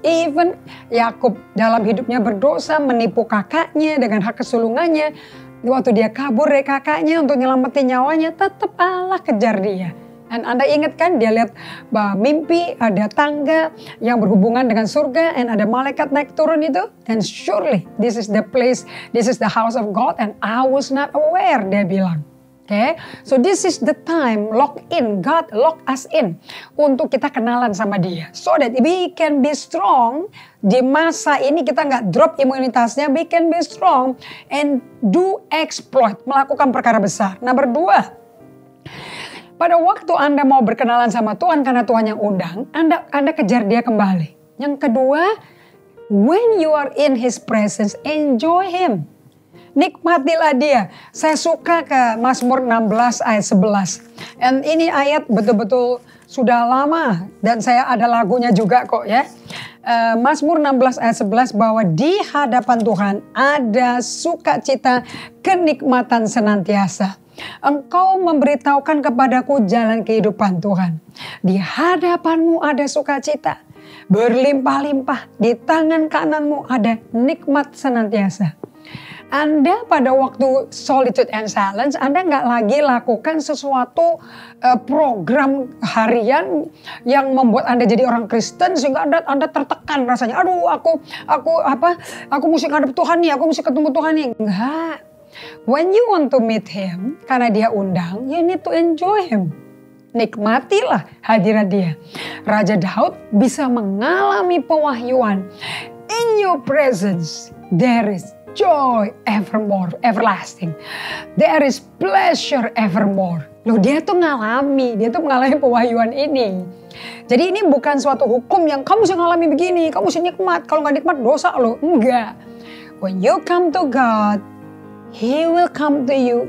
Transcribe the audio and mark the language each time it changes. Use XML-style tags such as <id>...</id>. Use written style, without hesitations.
<id>Even Yakub dalam hidupnya berdosa, menipu kakaknya dengan hak kesulungannya. Waktu dia kabur dari kakaknya untuk nyelamatin nyawanya, tetap Allah kejar dia. Dan Anda ingat kan, dia lihat mimpi, ada tangga yang berhubungan dengan surga, and ada malaikat naik turun itu.</id> <en>And surely, this is the place, this is the house of God, and I was not aware,</en> <id>dia bilang.</id> <en>Okay? So this is the time, lock in, God lock us in,</en> <id>untuk kita kenalan sama dia.</id> <en>So that we can be strong,</en> <id>di masa ini kita gak drop imunitasnya,</id> <en>we can be strong, and do exploit,</en> <id>melakukan perkara besar. Nomor dua, pada waktu Anda mau berkenalan sama Tuhan karena Tuhan yang undang, Anda kejar dia kembali. Yang kedua,</id> <en>when you are in His presence, enjoy Him.</en> <id>Nikmatilah dia. Saya suka ke Mazmur 16 ayat 11. And ini ayat betul-betul sudah lama. Dan saya ada lagunya juga kok ya. Mazmur 16 ayat 11, bahwa di hadapan Tuhan ada sukacita, kenikmatan senantiasa. Engkau memberitahukan kepadaku jalan kehidupan, Tuhan. Di hadapan-Mu ada sukacita berlimpah-limpah, di tangan kanan-Mu ada nikmat senantiasa. Anda pada waktu</id> <en>solitude and silence,</en> <id>Anda nggak lagi lakukan sesuatu program harian yang membuat Anda jadi orang Kristen sehingga Anda tertekan rasanya. Aduh, aku mesti ngadep Tuhan nih, aku mesti ketemu Tuhan nih. Enggak.</id> <en>When you want to meet Him,</en> <id>karena Dia undang,</id> <en>you need to enjoy Him.</en> <id>Nikmatilah hadirat Dia. Raja Daud bisa mengalami pewahyuan.</id> <en>In your presence, there is joy evermore, everlasting. There is pleasure evermore.</en> <id>Loh, dia tuh mengalami pewahyuan ini. Jadi ini bukan suatu hukum yang kamu sih ngalami begini, kamu sih nikmat. Kalau gak nikmat, dosa loh. Enggak.</id> <en>When you come to God, He will come to you.</en>